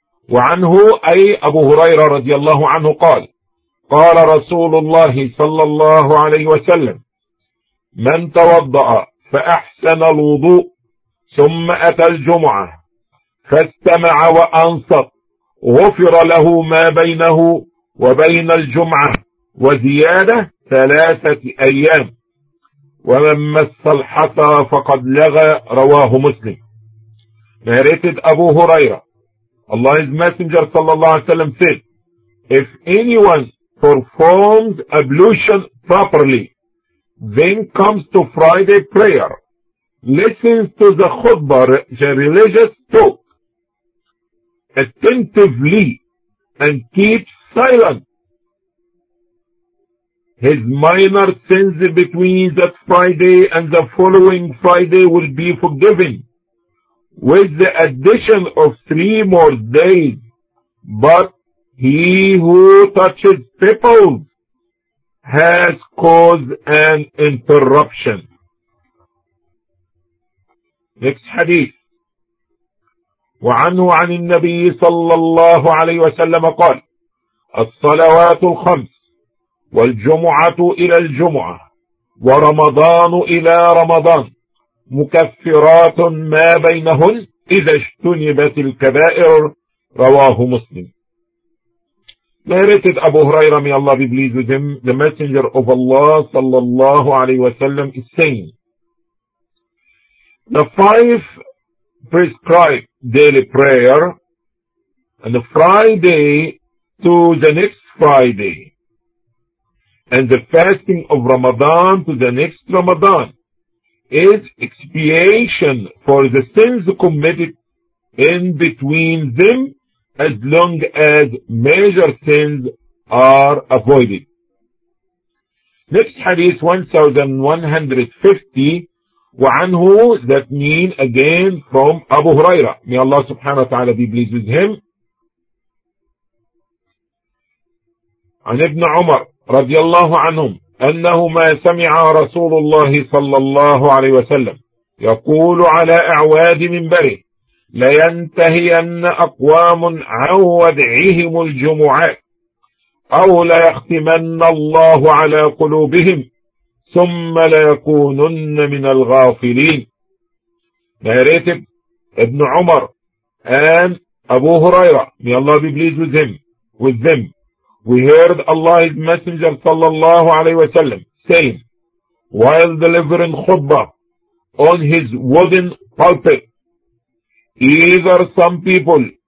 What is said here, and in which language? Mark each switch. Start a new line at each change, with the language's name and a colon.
Arabic: وعنه أي أبو هريرة رضي الله عنه قال قال رسول الله صلى الله عليه وسلم من توضأ فأحسن الوضوء ثم أتى الجمعة فاستمع وأنصت غفر له ما بينه وبين الجمعة وزيادة ثلاثة أيام ومن مس الحطى فقد لغى رواه مسلم.
English: Narrated أبو هريرة, Allah's Messenger صلى الله عليه وسلم said, if anyone performs ablution properly, then comes to Friday prayer, listens to the khutbah, the religious talk, attentively, and keeps silent his minor sins between that Friday and the following Friday will be forgiven, with the addition of 3 more days. But he who touches people has caused an interruption. Next hadith.
Arabic: وعنه عن النبي صلى الله عليه وسلم قال الصلوات الخمس والجمعة إلى الجمعة ورمضان إلى رمضان مكفرات ما بينهن إذا اجتنبت الكبائر رواه مسلم.
English: Narrated Abu Huraira, may Allah be pleased with him, the Messenger of Allah sallallahu alayhi wa sallam is saying, the 5 prescribed daily prayer, and the Friday to the next Friday, and the fasting of Ramadan to the next Ramadan, is expiation for the sins committed in between them, as long as major sins are avoided. Next hadith 1150,
Arabic: وعنه,
English: that mean again from Abu Huraira, may Allah subhanahu wa ta'ala be pleased with him,
Arabic: عن ابن عمر رضي الله عنهم أنهما سمع رسول الله صلى الله عليه وسلم يقول على أعواد من بره لينتهين أقوام عن ودعهم الجمعات أو ليختمن الله على قلوبهم ثم ليكونن من الغافلين.
English: Narrated Ibn Umar and Abu Huraira, may Allah be pleased with him, with them, we heard Allah's Messenger sallallahu alayhi wa sallam saying, while delivering khutbah on his wooden pulpit, either some people